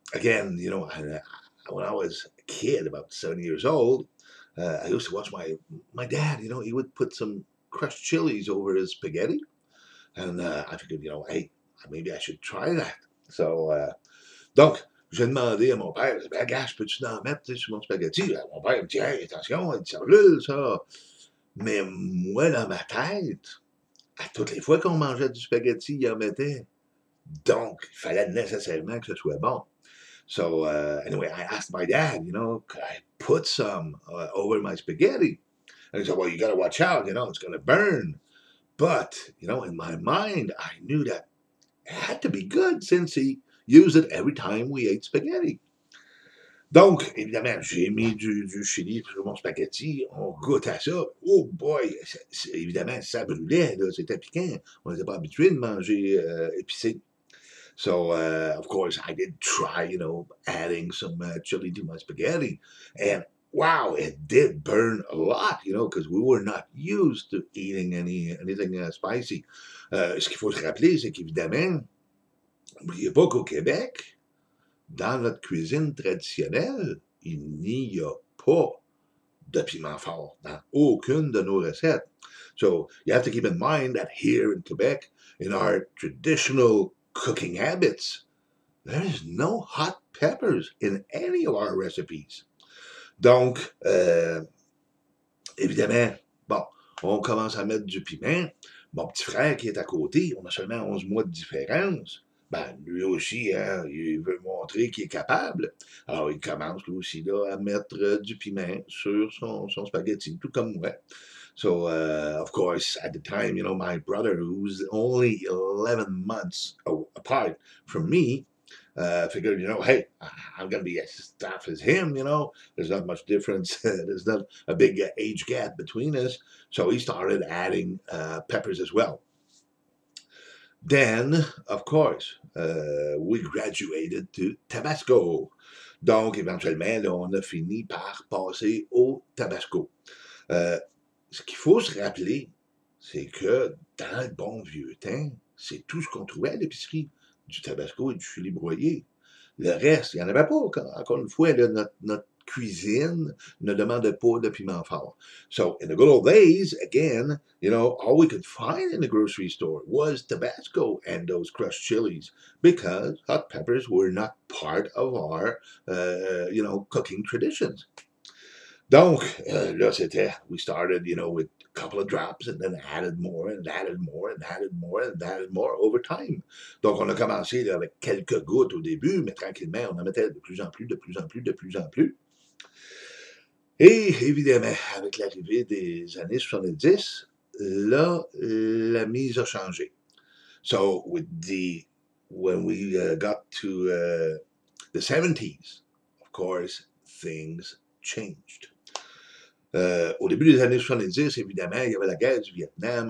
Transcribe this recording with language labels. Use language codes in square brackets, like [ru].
[en] When I was a kid, about 7 years old, I used to watch my dad, he would put some crushed chilies over his spaghetti. And I figured, hey, maybe I should try that. [fr] Donc, j'ai demandé à mon père, ben, gars, peux-tu en mettre sur mon spaghetti? Là, mon père me dit, hey, attention, il y a une cellule, ça. Mais moi, dans ma tête, à toutes les fois qu'on mangeait du spaghetti, il en mettait. Donc, il fallait nécessairement que ce soit bon. [en] I asked my dad, could I put some over my spaghetti? And he said, well, you gotta watch out, it's gonna burn. But, in my mind, I knew that it had to be good since he used it every time we ate spaghetti. [fr] Donc, évidemment, j'ai mis du chili sur mon spaghetti. On goûte à ça. [en] Oh boy! [fr] Évidemment, ça brûlait. C'était piquant. On n'était pas habitué de manger épicé. [en] Of course, I did try, adding some chili to my spaghetti. And wow, it did burn a lot, because we were not used to eating anything spicy. [fr] Ce qu'il faut se rappeler, c'est qu'évidemment, n'oubliez pas qu'au Québec, dans notre cuisine traditionnelle, il n'y a pas de piment fort dans aucune de nos recettes. [en] So, you have to keep in mind that here in Quebec, in our traditional cooking habits, there is no hot peppers in any of our recipes. [fr] Donc, évidemment, bon, on commence à mettre du piment. Mon petit frère qui est à côté, on a seulement 11 mois de différence. Ben, lui aussi, il veut montrer qu'il est capable. Alors, il commence lui aussi là, à mettre du piment sur son spaghetti, tout comme moi. [en] Of course, at the time, my brother, who's only 11 months apart from me, figured, hey, I'm going to be as tough as him, There's not much difference. There's not a big age gap between us. So he started adding peppers as well. Then, of course, we graduated to Tabasco. [fr] Donc, éventuellement, là, on a fini par passer au Tabasco. Ce qu'il faut se rappeler, c'est que dans le bon vieux temps, c'est tout ce qu'on trouvait à l'épicerie. Du tabasco et du chili broyé. Le reste, il n'y en avait pas. Encore une fois, là, notre cuisine ne demandait pas de piment fort. [en] So, in the good old days, again, all we could find in the grocery store was tabasco and those crushed chilies because hot peppers were not part of our, cooking traditions. [fr] Donc, là, c'était, [en] we started, with a couple of drops and then added more and added more and added more and added more over time. [fr] Donc, on a commencé là, avec quelques gouttes au début, mais tranquillement, on en mettait de plus en plus, de plus en plus, de plus en plus. Et évidemment, avec l'arrivée des années 70, là, la mise a changé. [en] So, with the, when we got to the 70s, of course, things changed. [fr] Au début des années 70, évidemment, il y avait la guerre du Vietnam.